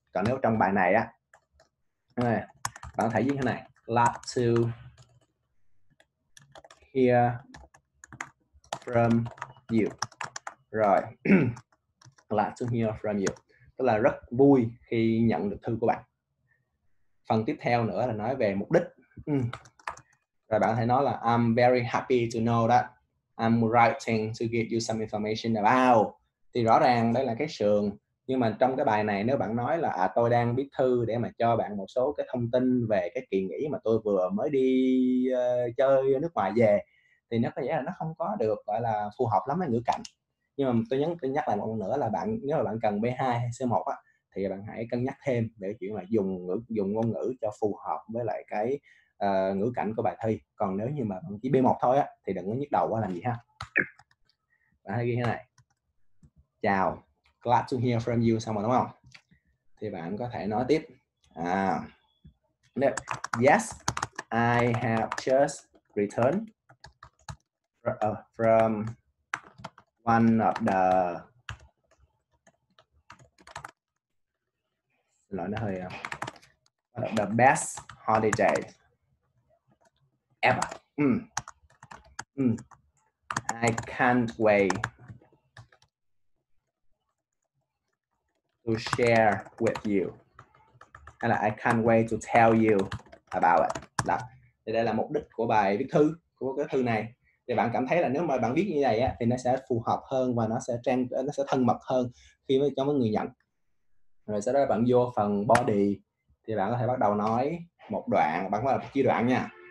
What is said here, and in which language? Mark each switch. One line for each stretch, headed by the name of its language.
Vietnamese: Còn nếu trong bài này á, bạn có thể viết thế này:
English: love to hear from you.
Vietnamese: Rồi,
English: love to hear from you,
Vietnamese: tức là rất vui khi nhận được thư của bạn. Phần tiếp theo nữa là nói về mục đích. Rồi bạn có thể nói là
English: I'm very happy to know that I'm writing to give you some information about.
Vietnamese: Thì rõ ràng đây là cái sườn. Nhưng mà trong cái bài này, nếu bạn nói là tôi đang viết thư để mà cho bạn một số cái thông tin về cái kỳ nghỉ mà tôi vừa mới đi chơi nước ngoài về, thì nó có vẻ là nó không có được gọi là phù hợp lắm với ngữ cảnh. Nhưng mà tôi nhắc lại một lần nữa là bạn, nếu mà bạn cần B2 hay C1 á, thì bạn hãy cân nhắc thêm để chuyện là dùng ngôn ngữ cho phù hợp với lại cái ngữ cảnh của bài thi. Còn nếu như mà bạn chỉ B1 thôi á, thì đừng có nhức đầu quá làm gì ha. Bạn hãy ghi thế này: chào,
English: glad to hear from you,
Vietnamese: xong rồi đúng không? Thì bạn có thể nói tiếp.
English: Yes, I have just returned from one of the...
Vietnamese: Lỗi nó hơi...
English: the best holiday ever. I can't wait to share with you.
Vietnamese: Hay là
English: I can't wait to tell you about it.
Vietnamese: Đó. Thì đây là mục đích của bài viết thư, của cái thư này. Thì bạn cảm thấy là nếu mà bạn viết như vậy á, thì nó sẽ phù hợp hơn và nó sẽ thân mật hơn khi với cho người nhận. Rồi sau đó bạn vô phần body, thì bạn có thể bắt đầu nói một đoạn, bạn có thể chia đoạn nha.